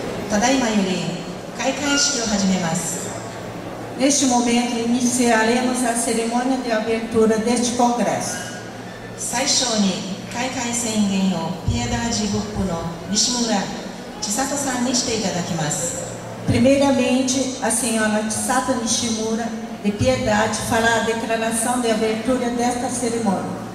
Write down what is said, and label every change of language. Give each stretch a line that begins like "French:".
Japanese: ただいまより開会式を始めます。
Portuguese: Neste momento iniciaremos a cerimônia de abertura deste congresso.
Japanese: 最初に開会宣言をピエダージグループの西村千里さんにしていただきます。
Portuguese: Primeiramente, a senhora Chisato Nishimura, de Piedade, fará a declaração de abertura desta cerimônia.